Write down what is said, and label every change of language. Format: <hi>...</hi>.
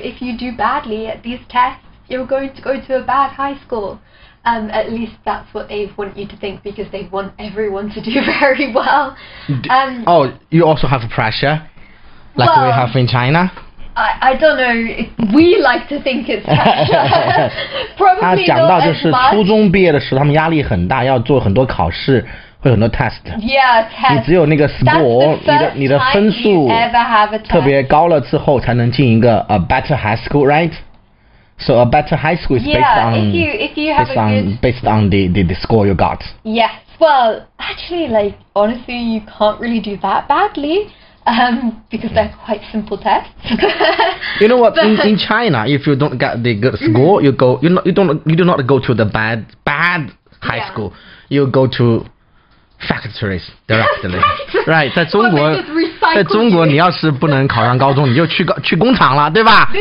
<en>If you do badly at these tests, you're going to go to a bad high school. At least that's what they want you to think, because they want everyone to do very well. Oh, you also have pressure, like, well, we have in China. I don't know, we like to think it's pressure.</en> <zh>他讲到就是初中毕业的时候，他们压力很大，要做很多考试，会很多 test。</zh> <en>Yeah, test.</en> <zh>你只有那个 score, 你的分数特别高了之后，才能进一个</zh> <en>a better high school, right? So a better high school is based on the score you got. Yes, well, actually, like, honestly, you can't really do that badly. Because they're quite simple tests. You know what? In China, if you don't get the good score, you go. You do not go to the bad high school. You go to factories directly. Right?</en> <zh>在中国，在中国，你要是不能考上高中，你就去工厂了，对吧？</zh>